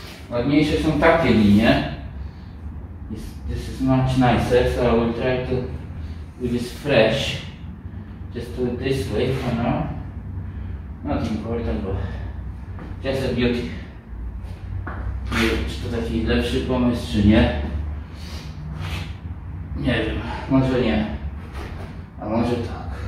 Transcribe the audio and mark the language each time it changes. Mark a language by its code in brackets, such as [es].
[pl] Ładniejsze są takie linie. [en] This is much nicer, so I will try to do this fresh. Just do it this way for now. Not important, but just a beauty. [pl] Nie wiem, czy to taki lepszy pomysł, czy nie. Nie wiem, może nie. A może to.